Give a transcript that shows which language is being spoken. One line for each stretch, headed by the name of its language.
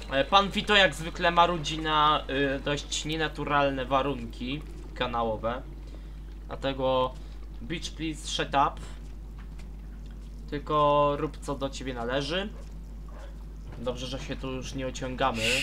Polish: Pan Vito jak zwykle marudzi na dość nienaturalne warunki kanałowe. Dlatego
English: bitch please shut up.
Polish: Tylko rób co do ciebie należy. Dobrze, że się tu już nie ociągamy.